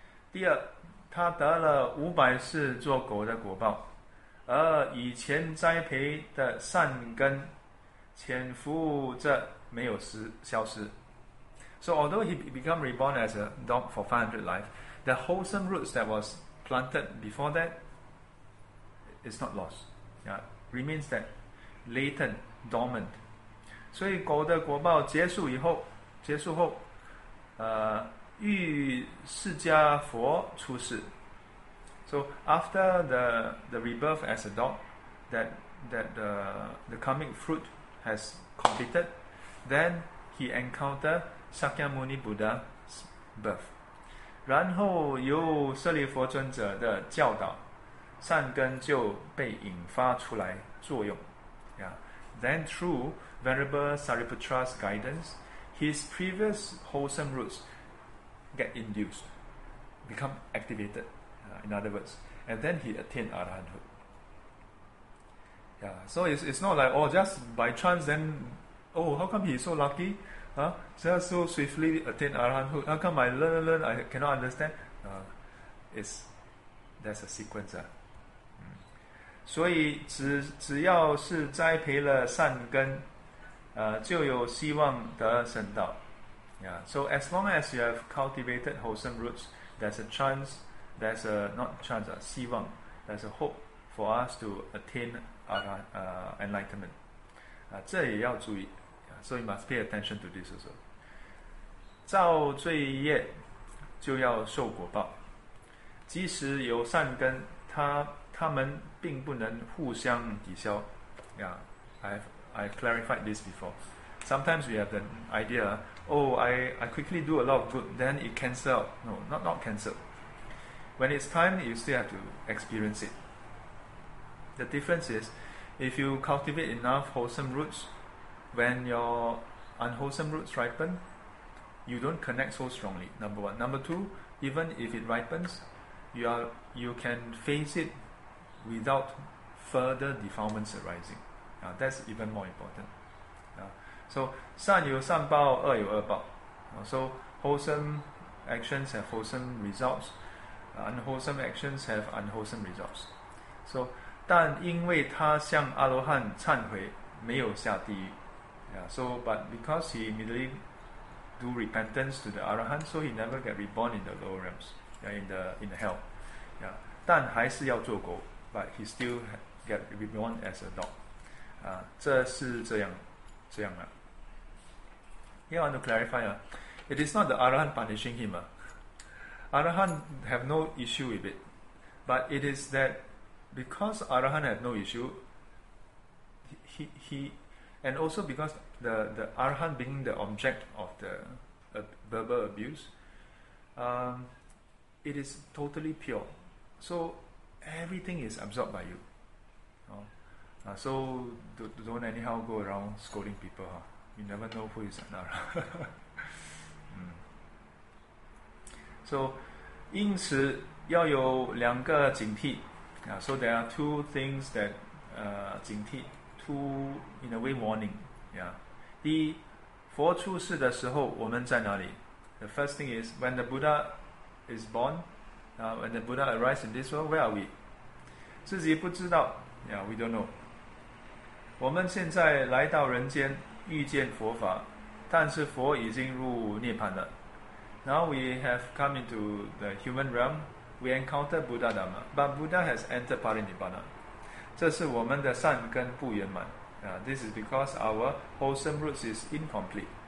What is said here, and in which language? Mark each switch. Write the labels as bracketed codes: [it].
[zh] 第二，他得了五百世做狗的果报，而以前栽培的善根潜伏着没有消失。 [en] So although he become reborn as a dog for 500 life, the wholesome roots that was planted before that is not lost. Remains that latent, dormant. [zh] 所以狗的果报结束以后，结束后，遇释迦佛出世。 [en] So after the rebirth as a dog, that the karmic fruit has completed, then he encountered Sakyamuni Buddha's birth. [zh] 然后由舍利弗尊者的教导，善根就被引发出来作用。 [en] Yeah. Then through Venerable Sariputra's guidance, his previous wholesome roots get induced, become activated. In other words, and then he attained Arahanthood. Yeah. So it's not like, oh, just by chance, then, oh, how come he is so lucky? Just so swiftly attained Arahanthood. How come I learn, I cannot understand? That's a sequence. [zh] 所以只要是栽培了善根，就有希望得圣道。 [en] Yeah. So as long as you have cultivated wholesome roots, there's a hope for us to attain enlightenment. [zh] 这也要注意。 [en] So you must pay attention to this also. [zh] 造罪业就要受果报。即使有善根，他们并不能互相抵消。 [en] Yeah, I've clarified this before. Sometimes we have the idea, oh, I quickly do a lot of good, then it cancels. No, not cancel. When it's time, you still have to experience it. The difference is, if you cultivate enough wholesome roots, when your unwholesome roots ripen, you don't connect so strongly, number one. Number two, even if it ripens, you can face it without further defilements arising. That's even more important. So, [zh] 善有善报，恶有恶报。 [en] So, wholesome actions have wholesome results. Unwholesome actions have unwholesome results. [zh] So, 但因为他向阿罗汉忏悔，没有下地狱。 [en] So, but because he immediately do repentance to the Arahant, so he never get reborn in the lower realms, in the hell. [zh] Yeah. 但还是要做狗。 [en] But he still get reborn as a dog. [zh] 这是这样啊。 [en] Here I want to clarify, it is not the Arahant punishing him. Arahant have no issue with it. But it is that because Arahant have no issue, he and also because the Arahant being the object of the verbal abuse, it is totally pure. So, everything is absorbed by you. So don't anyhow go around scolding people. Huh? You never know who is an Arahant. [zh] So, 因此要有两个警惕。 [en] So there are two things that 警惕, two in a way warning. Yeah. [zh] 第一，佛出世的时候我们在哪里？ [en] The first thing is when the Buddha is born, when the Buddha arrives in this world, where are we? [zh] 自己不知道 [en] yeah, we don't know. [zh] 我们现在来到人间遇见佛法，但是佛已经入涅槃了。 [en] Now we have come into the human realm, we encounter Buddha Dhamma, but Buddha has entered Parinibbana. [zh] 这是我们的善根不圆满 [en] yeah, this is because our wholesome roots is incomplete.